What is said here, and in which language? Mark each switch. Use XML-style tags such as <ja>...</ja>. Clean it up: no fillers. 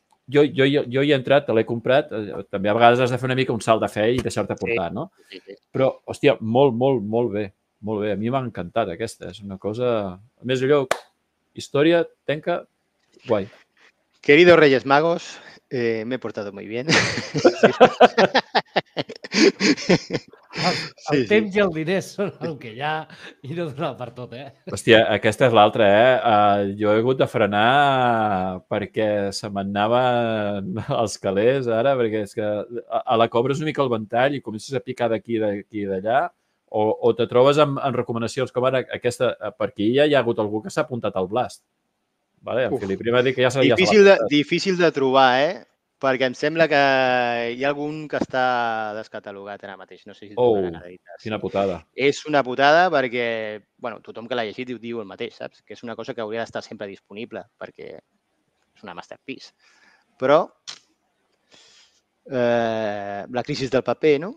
<ca>Jo hi he entrat, te l'he comprat, també a vegades has de fer una mica un salt de fe i deixar-te portar, no? Però, hòstia, molt bé. A mi m'ha encantat aquesta, és una cosa... A més, allò, història, tenca, guai.</ca> <es>Queridos Reyes Magos, me he portado muy bien.</es> <ca>El temps sí. I el diner són el que hi ha i no donar per tot, eh? Hòstia, aquesta és l'altra, eh? Jo he hagut de frenar perquè se m'anaven els calés ara, perquè és que a la cobra és una mica el ventall i comences a picar d'aquí i d'allà, o te trobes amb recomanacions com ara aquesta, per aquí ja hi ha hagut algú que s'ha apuntat al Blast. Vale, en Filip, primer dic que ja s'ha... Difícil de trobar, eh? Perquè em sembla que hi ha algun que està descatalogat ara mateix. No sé si quina putada. És una putada perquè, bueno, tothom que l'ha llegit diu el mateix, saps? Que és una cosa que hauria d'estar sempre disponible perquè és una masterpiece. Però la crisi del paper, no?</ca>